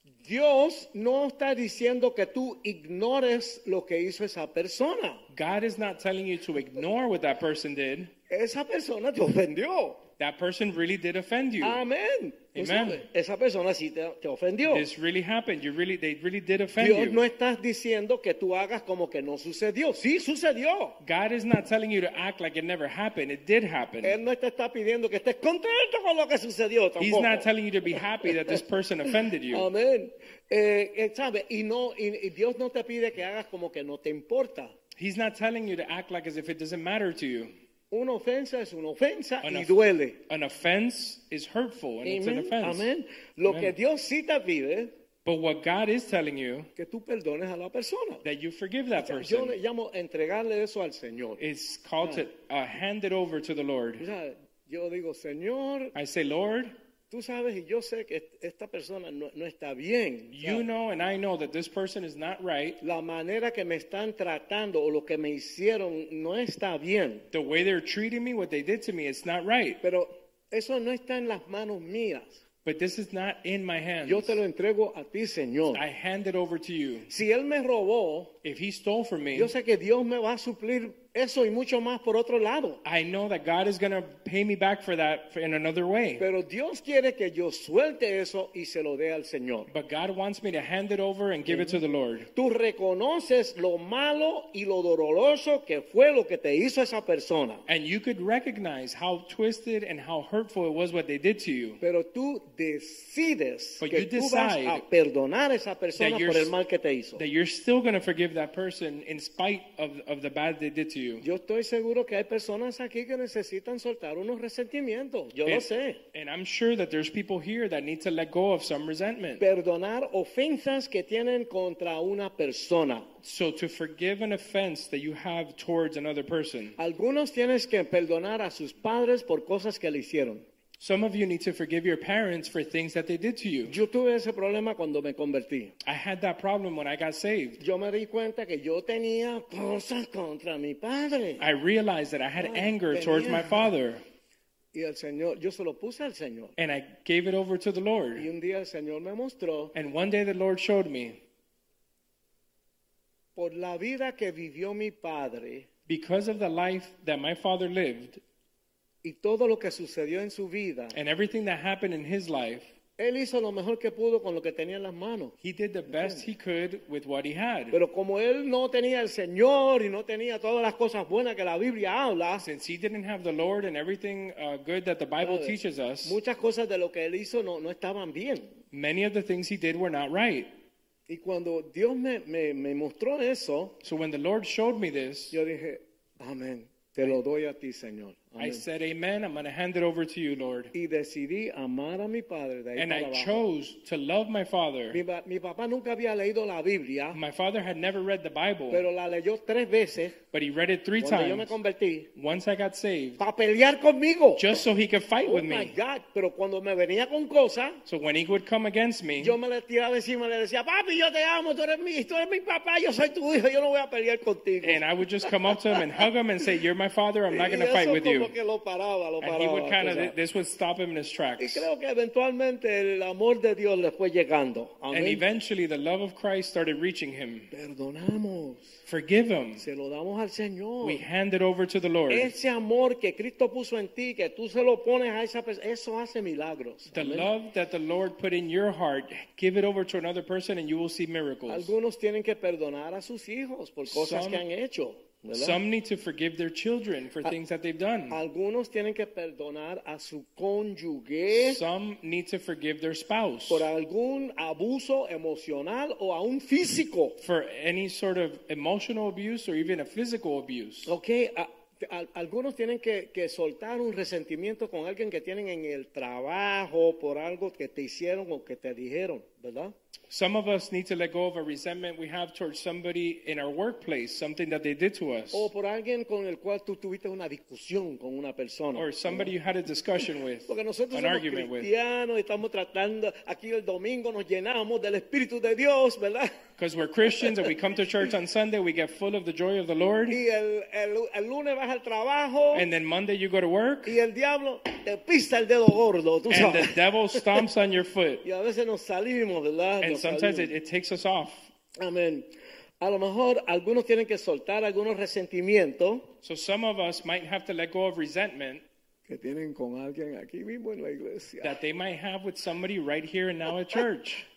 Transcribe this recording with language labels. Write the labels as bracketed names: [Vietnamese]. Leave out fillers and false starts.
[Spanish] Dios no está diciendo que tú ignores lo que hizo esa persona. [English] God is not telling you to ignore what that person did. [Spanish] Esa persona te ofendió. [English] That person really did offend you. Amen. Amen. [Spanish] Esa persona sí te ofendió. [English] This really happened. They really did offend [Spanish] Dios [English] you. [Spanish] Dios no está diciendo que tú hagas como que no sucedió. Sí sucedió. [English] God is not telling you to act like it never happened. It did happen. [Spanish] Él no te está pidiendo que estés contento con lo que sucedió tampoco. [English] He's not telling you to be happy that this person offended you. Amen. [Spanish] Y Dios no te pide que hagas como que no te importa. [English] He's not telling you to act like as if it doesn't matter to you. [Spanish] Una ofensa es una ofensa y duele. [English] An offense is hurtful and Amen. It's an offense. [Spanish] Amen. Lo Amen. Que Dios sí te pide. [English] But what God is telling you. [Spanish] Que tú perdones a la persona. [English] That you forgive that person. [Spanish] Yo le llamo entregarle eso al Señor. [English] It's called to hand it over to the Lord. [Spanish] O sea, yo digo, Señor. [English] I say, Lord. [Spanish] Tú sabes y yo sé que esta persona no está bien. [English] You know and I know that this person is not right. [Spanish] La manera que me están tratando o lo que me hicieron no está bien. [English] The way they're treating me, what they did to me, it's not right. [Spanish] Pero eso no está en las manos mías. [English] But this is not in my hands. [Spanish] Yo te lo entrego a ti, Señor. [English] I hand it over to you. [Spanish] Si él me robó, [English] if he stole from me, [Spanish] yo sé que Dios me va a suplir eso y mucho más por otro lado. [English] I know that God is going to pay me back for that in another way. [Spanish] Pero Dios quiere que yo suelte eso y se lo dé al Señor. [English] But God wants me to hand it over and give mm-hmm. it to the Lord. [Spanish] Tú reconoces lo malo y lo doloroso que fue lo que te hizo esa persona. [English] And you could recognize how twisted and how hurtful it was what they did to you. [Spanish] Pero tú decides [English] But [Spanish] que [English] you [Spanish] tú [English] decide [Spanish] vas a perdonar a esa persona por el mal que te hizo. [English] That you're still going to forgive that person in spite of the bad they did to you. you. [Spanish] Yo estoy seguro que hay personas aquí que necesitan soltar unos resentimientos. Yo lo sé. [English] And I'm sure that there's people here that need to let go of some resentment. [Spanish] Perdonar ofensas que tienen contra una persona. [English] So to forgive an offense that you have towards another person. [Spanish] Algunos tienes que perdonar a sus padres por cosas que le hicieron. [English] Some of you need to forgive your parents for things that they did to you. [Spanish] Yo tuve ese problema cuando me convertí. [English] I had that problem when I got saved. [Spanish] Yo me di cuenta que yo tenía cosas contra mi padre. [English] I realized that I had anger towards my father. [Spanish] Y el Señor, yo se lo puse al Señor. [English] And I gave it over to the Lord. [Spanish] Y un día el Señor me mostró. [English] And one day the Lord showed me. [Spanish] Por la vida que vivió mi padre. [English] Because of the life that my father lived. [Spanish] Y todo lo que sucedió en su vida. [English] And everything that happened in his life. [Spanish] Él hizo lo mejor que pudo con lo que tenía en las manos. [English] He did the best he could with what he had. [Spanish] Pero como él no tenía el Señor y no tenía todas las cosas buenas que la Biblia habla. [English] Since he didn't have the Lord and everything good that the Bible teaches us. [Spanish] Muchas cosas de lo que él hizo no estaban bien. [English] Many of the things he did were not right. [Spanish] Y cuando Dios me mostró eso. [English] So when the Lord showed me this. [Spanish] Yo dije, amén. Te lo doy a ti, Señor. [English] Amen. I said, amen, I'm going to hand it over to you, Lord. [Spanish] Y decidí amar a mi padre de ahí [English] and [Spanish] para [English] I [Spanish] abajo. [English] Chose to love my father. [Spanish] Mi papá nunca había leído la Biblia, [English] my father had never read the Bible. [Spanish] Pero la leyó tres veces, [English] but he read it three [Spanish] cuando [English] times. [Spanish] Yo me convertí, [English] once I got saved. [Spanish] Para pelear conmigo. [English] Just so he could fight oh with my me. God. [Spanish] Pero cuando me venía con cosa, [English] so when he would come against me. [Spanish] Yo me le tiraba encima y le decía, papi, yo te amo, tú eres mi papá, yo soy tu hijo, yo no voy a pelear contigo. [English] And I would just come up to him and hug him and say, you're my father, I'm not going to fight with you. [Spanish] Que lo paraba, lo [English] and [Spanish] paraba, [English] he would kind of, this would stop him in his tracks. [Spanish] Y creo que eventualmente el amor de Dios le fue llegando. [English] Amen. And eventually the love of Christ started reaching him. [Spanish] Perdonamos. [English] Forgive him. [Spanish] Se lo damos al Señor. [English] We hand it over to the Lord. [Spanish] Ese amor que Cristo puso en ti, que tú se lo pones a esa persona, eso hace milagros. [English] The Amen. Love that the Lord put in your heart, give it over to another person and you will see miracles. [Spanish] Algunos tienen que perdonar a sus hijos por cosas que han hecho. [English] Some need to forgive their children for things that they've done. [Spanish] Algunos tienen que perdonar a su cónyuge. [English] Some need to forgive their spouse. [Spanish] Por algún abuso emocional o aún físico. [English] For any sort of emotional abuse or even a physical abuse. [Spanish] Okay, algunos tienen que soltar un resentimiento con alguien que tienen en el trabajo por algo que te hicieron o que te dijeron, ¿verdad? [English] Some of us need to let go of a resentment we have towards somebody in our workplace, something that they did to us. [Spanish] O por alguien con el cual tú tuviste una discusión con una persona. [English] Or somebody you had a discussion with, [Spanish] porque nosotros somos [English] argument [Spanish] cristianos [English] with. [Spanish] Y estamos tratando, aquí el domingo nos llenamos del Espíritu de Dios, ¿verdad? [English] Because we're Christians and we come to church on Sunday, we get full of the joy of the Lord. [Spanish] Y el lunes vas al trabajo. [English] And then Monday you go to work. [Spanish] Y el diablo te pisa el dedo gordo, tú sabes. [English] And the devil stomps on your foot. [Spanish] Y a veces nos salimos, ¿verdad? [English] And sometimes it takes us off. Amen. [Spanish] A lo mejor algunos tienen que soltar algunos resentimientos. [English] So some of us might have to let go of resentment. [Spanish] Que tienen con alguien aquí mismo en la iglesia. [English] That they might have with somebody right here and now at church.